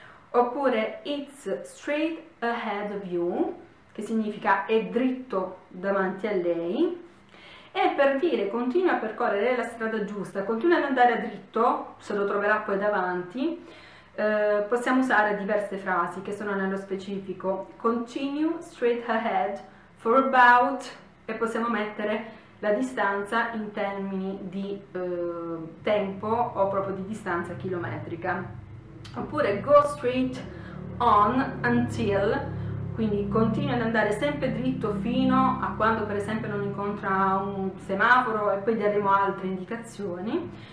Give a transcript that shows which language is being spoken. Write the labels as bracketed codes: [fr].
[it] Oppure [en] it's straight ahead of you, [it] che significa è dritto davanti a lei. E per dire continua a percorrere la strada giusta, continua ad andare a dritto, se lo troverà poi davanti, possiamo usare diverse frasi che sono nello specifico. [en] Continue straight ahead for about. [it] E possiamo mettere la distanza in termini di tempo o proprio di distanza chilometrica. Oppure [en] go straight on until, [it] quindi continua ad andare sempre dritto fino a quando per esempio non incontra un semaforo e poi daremo altre indicazioni.